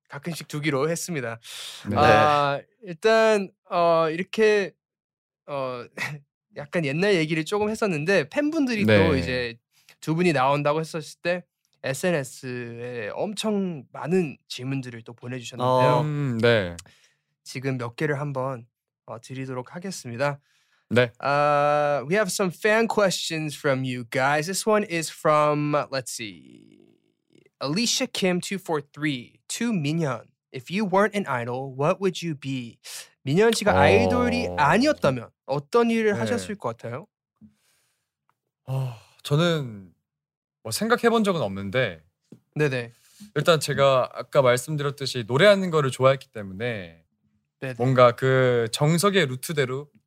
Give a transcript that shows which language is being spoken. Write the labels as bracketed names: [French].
[Korean] 가끔씩 두기로 했습니다. 네. 아, 일단 이렇게 약간 옛날 얘기를 조금 했었는데 팬분들이 네. 또 이제 두 분이 나온다고 했었을 때 SNS에 엄청 많은 질문들을 또 보내주셨는데요. 네. 지금 몇 개를 한번 드리도록 하겠습니다. 네. [English] We have some fan questions from you guys. This one is from, let's see, Alicia Kim 243 to Minhyun. If you weren't an idol, what would you be? [Korean] 민현 씨가 아이돌이 아니었다면 어떤 일을 네. 하셨을 것 같아요? 저는 뭐 생각해본 적은 없는데 네네. 일단 제가 아까 말씀드렸듯이 노래하는 거를 좋아했기 때문에 네네. 뭔가 그 정석의 루트대로